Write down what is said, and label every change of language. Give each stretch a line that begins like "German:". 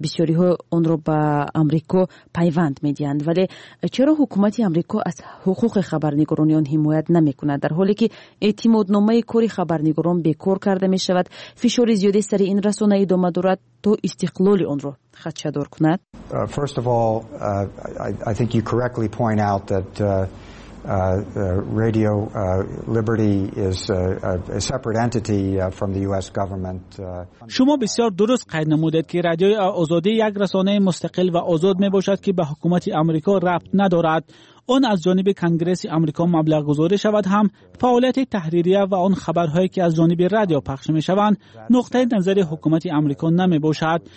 Persian: بسیاری ها آن را به آمریکا پیوند می دهند. ولی چرا حکومت آمریکا از حقوق خبرنگاران آن حمایت نمی کند؟ در حالی که اعتماد نامه کاری خبرنگاران بیکار کرده می شود، فشار زیادی سر این رسانه ادامه دارد تا استقلال آن را خدشه دار کند.
English: First of all, I think you correctly point out that Radio Liberty is a separate entity from the US government.
Persian: شما بسیار درست قید نمودید که رادیو آزادی یک رسانه مستقل و آزاد میباشد که به حکومت آمریکا ربط ندارد. آن از جانب کنگره آمریکا مبلغ گذاری شود، هم فعالیت تحریریه و آن خبرهایی که از جانب رادیو پخش می شوند نقطه نظر حکومت آمریکا نمی باشد.